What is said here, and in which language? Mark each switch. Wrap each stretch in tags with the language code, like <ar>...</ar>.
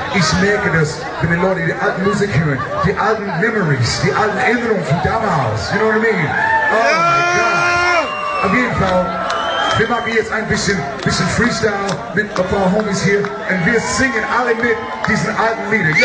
<de>Ich merke das, wenn die Leute die alte Musik hören, die alten Memories, die alten Erinnerungen von damals.</de> <en>You know what I mean? Oh my God.</en> <de>Auf jeden Fall, wir machen jetzt ein bisschen Freestyle mit ein paar Homies hier und wir singen alle mit diesen alten Liedern.</de>